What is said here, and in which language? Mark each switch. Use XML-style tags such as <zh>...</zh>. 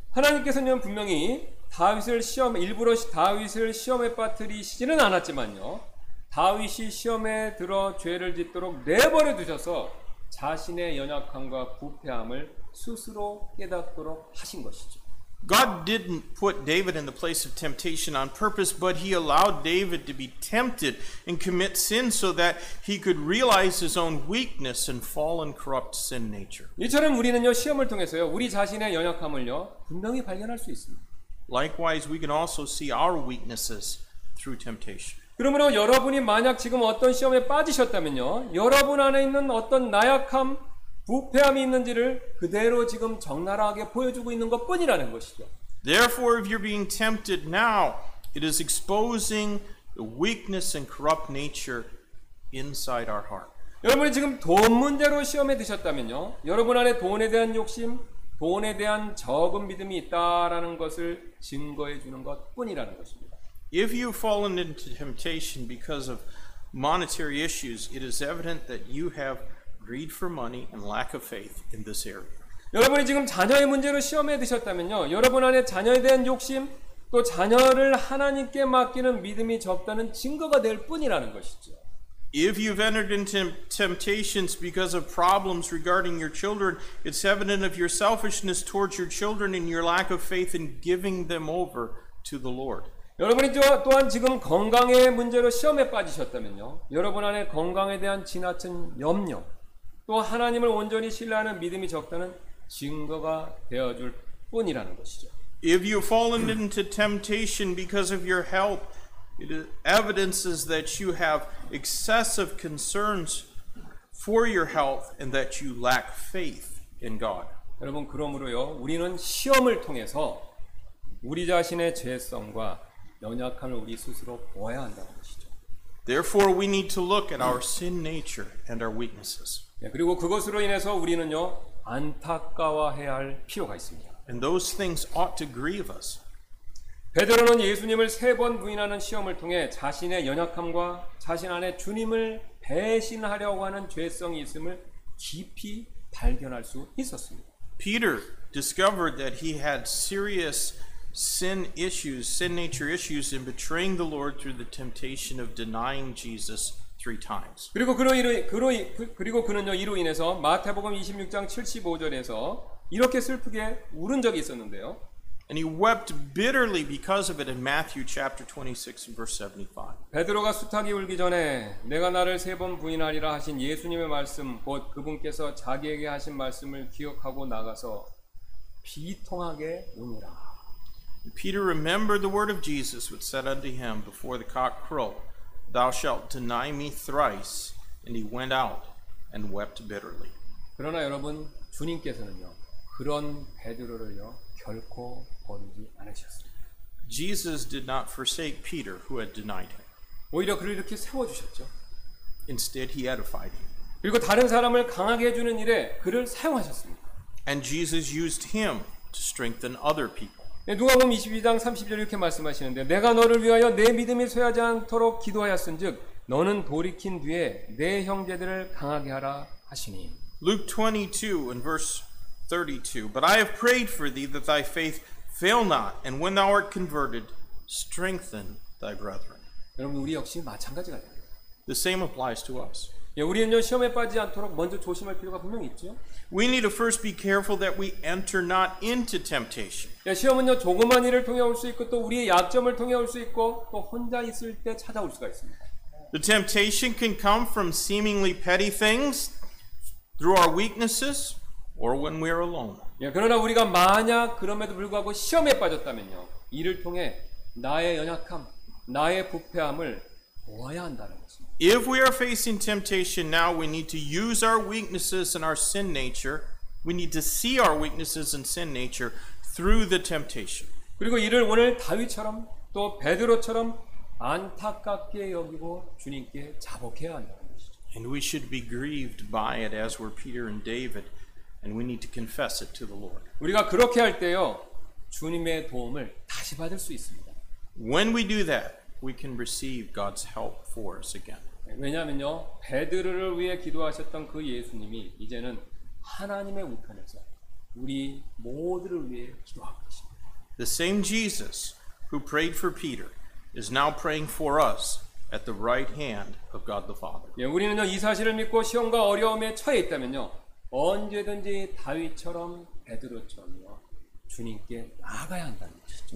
<ko>하나님께서는 분명히 다윗을 시험에 빠뜨리시지는 않았지만요. 다윗이 시험에 들어 죄를 짓도록 내버려 두셔서 자신의 연약함과 부패함을 스스로 깨닫도록 하신 것이죠.</ko> <en>God didn't put David in the place of temptation on purpose, but he allowed David to be tempted and commit sin so that he could realize his own weakness and fallen corrupt sin nature.</en> <ko>이처럼 우리는요, 시험을 통해서요, 우리 자신의 연약함을요, 분명히 발견할 수 있습니다.</ko> <en>Likewise, we can also see our weaknesses through temptation.</en> <ko>그러므로 여러분이 만약 지금 어떤 시험에 빠지셨다면요, 여러분 안에 있는 어떤 나약함, 부패함이 있는지를 그대로 지금 적나라하게 보여주고 있는 것뿐이라는 것이죠.</ko> <en>Therefore, if you're being tempted now, it is exposing the weakness and corrupt nature inside our heart.</en> <ko>여러분이 지금 돈 문제로 시험에 드셨다면요, 여러분 안에 돈에 대한 욕심, 돈에 대한 적은 믿음이 있다라는 것을 증거해 주는 것뿐이라는 것입니다.</ko> <en>If you've fallen into temptation because of monetary issues, it is evident that you have greed for money and lack of faith in this area.</en> <ko>여러분이 지금 자녀의 문제로 시험에 드셨다면요, 여러분 안에 자녀에 대한 욕심, 또 자녀를 하나님께 맡기는 믿음이 적다는 증거가 될 뿐이라는 것이죠.</ko> <en>If you've entered into temptations because of problems regarding your children, it's evident of your selfishness towards your children and your lack of faith in giving them over to the Lord.</en> <ko>여러분이 또한 지금 건강의 문제로 시험에 빠지셨다면요, 여러분 안에 건강에 대한 지나친 염려, 또 하나님을 온전히 신뢰하는 믿음이 적다는 증거가 되어줄 뿐이라는 것이죠.</ko> <en>If you've fallen into temptation because of your health, it evidences that you have excessive concerns for your health and that you lack faith in God.</en> <ko>여러분, 그러므로요, 우리는 시험을 통해서 우리 자신의 죄성과 연약함을 우리 스스로 보아야 한다는 것이죠.</ko> <en>Therefore, we need to look at our sin nature and our weaknesses.</en> <ko>예, 그리고 그것으로 인해서 우리는요, 안타까워해야 할 필요가 있습니다.</ko> <en>And those things ought to grieve us.</en> <ko>베드로는 예수님을 세 번 부인하는 시험을 통해 자신의 연약함과 자신 안에 주님을 배신하려고 하는 죄성이 있음을 깊이 발견할 수 있었습니다.</ko> <en>Peter discovered that he had serious sin issues, sin nature issues in betraying the Lord through the temptation of denying Jesus three times.</en> <ko>그리고 그는요, 이로 인해서 마태복음 26장 75절에서 이렇게 슬프게 울은 적이 있었는데요.</ko> <en>And he wept bitterly because of it in Matthew chapter 26 and verse 75.</en> <ko>베드로가 숱하게 울기 전에 내가 나를 세 번 부인하리라 하신 예수님의 말씀, 곧 그분께서 자기에게 하신 말씀을 기억하고 나가서 비통하게 울으라.</ko> <en>Peter remembered the word of Jesus which said unto him before the cock crow, Thou shalt deny me thrice, and he went out and wept bitterly.</en> <ko>그러나 여러분, 주님께서는요, 그런 베드로를요, 결코 버리지 않으셨습니다.</ko> <en>Jesus did not forsake Peter who had denied him.</en> <ko>오히려 그를 이렇게 세워주셨죠.</ko> <en>Instead, he edified him.</en> <ko>그리고 다른 사람을 강하게 해주는 일에 그를 사용하셨습니다.</ko> <en>And Jesus used him to strengthen other people.</en> <ko>누가복음 22장 30절 이렇게 말씀하시는데, 내가 너를 위하여 내 믿음이 쇠하지 않도록 기도하였은즉 너는 돌이킨 뒤에 내 형제들을 강하게 하라 하시니.</ko> <en>Luke 22 and verse 32. But I have prayed for thee that thy faith fail not, and when thou art converted, strengthen thy brethren.</en> <ko>여러분, 우리 역시 마찬가지가 됩니다.</ko> <en>The same applies to us.</en> <ko>예, 우리는요, 시험에 빠지지 않도록 먼저 조심할 필요가 분명히 있죠.</ko> <en>We need to first be careful that we enter not into temptation.</en> <ko>예, 시험은요, 조그만 일을 통해 올 수 있고 또 우리의 약점을 통해 올 수 있고 또 혼자 있을 때 찾아올 수가 있습니다.</ko> <en>The temptation can come from seemingly petty things, through our weaknesses, or when we are alone.</en> <ko>예, 그러나 우리가 만약 그럼에도 불구하고 시험에 빠졌다면요, 이를 통해 나의 연약함, 나의 부패함을 보아야 한다는 것입니다.</ko> <en>If we are facing temptation now, we need to use our weaknesses and our sin nature. We need to see our weaknesses and sin nature through the temptation.</en> <ko>그리고 이를 오늘 다윗처럼 또 베드로처럼 안타깝게 여기고 주님께 자복해야 한다는 것이죠.</ko> <en>And we should be grieved by it as were Peter and David, and we need to confess it to the Lord.</en> <ko>우리가 그렇게 할 때요, 주님의 도움을 다시 받을 수 있습니다.</ko> <en>When we do that, we can receive God's help for us again.</en> <ko>왜냐면요, 베드로를 위해 기도하셨던 그 예수님이 이제는 하나님의 우편에서 우리 모두를 위해 기도하고 계십니다.</ko> <en>The same Jesus who prayed for Peter is now praying for us at the right hand of God the Father.</en> <ko>예, 우리는요, 이 사실을 믿고 시험과 어려움에 처해 있다면요, 언제든지 다윗처럼 베드로처럼요, 주님께 나아가야 한다는 것이죠.</ko>